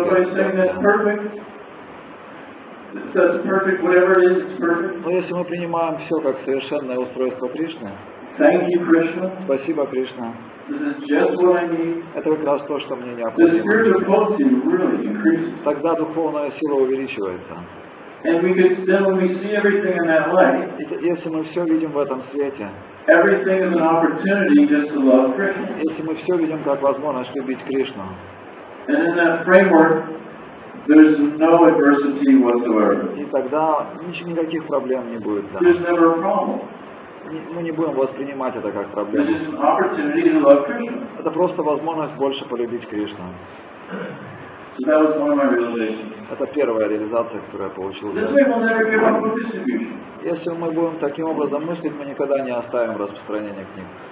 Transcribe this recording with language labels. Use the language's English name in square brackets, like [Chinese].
[English] So by saying that's perfect. That's perfect, whatever it is, it's perfect. [Russian] Но если мы принимаем все как совершенное устройство Кришны, [English] thank you, Krishna. [Russian] Спасибо, Кришна. [English] This is just what I need. [Russian] Это как раз то, что мне необходимо. [English] The spiritual potency really increases. [Russian] Тогда духовная сила увеличивается. [English] And we could, then when we see everything in that light, [Russian] если мы все видим в этом свете, [English] everything is an opportunity just to love Krishna. [Russian] Если мы все видим как возможность любить Кришну, [English] and in that framework, there's no adversity whatsoever. [Russian] И тогда никаких проблем не будет. Да. [English] There's never a problem. [Russian] Мы не будем воспринимать это как проблему. [English] This is an opportunity to love Krishna. [Russian] Это просто возможность больше полюбить Кришну. Это первая реализация, которую я получил. Если мы будем таким образом мыслить, мы никогда не оставим распространение книг.